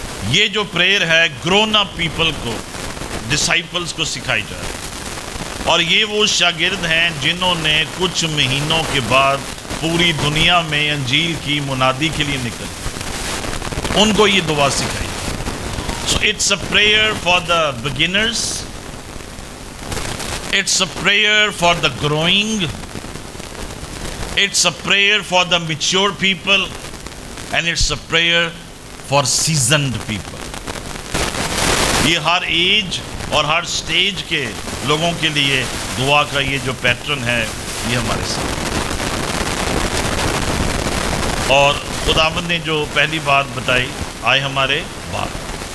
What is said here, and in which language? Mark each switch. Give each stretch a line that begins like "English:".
Urdu: یہ جو پریئر ہے گرون اپ پیپل کو, ڈسائپلس کو سکھائی جا رہی. اور یہ وہ شاگرد ہیں جنہوں نے کچھ مہینوں کے بعد پوری دنیا میں انجیل کی منادی کے لیے نکل, ان کو یہ دعا سکھائی.
English: So it's a prayer for the beginners, it's a prayer for the growing, it's a prayer for the mature people, and it's a prayer for seasoned people.
Urdu: یہ ہر ایج اور ہر سٹیج کے لوگوں کے لیے دعا کا یہ جو پیٹرن ہے یہ ہمارے ساتھ. اور خداوند نے جو پہلی بات بتائی, آئے ہمارے باپ.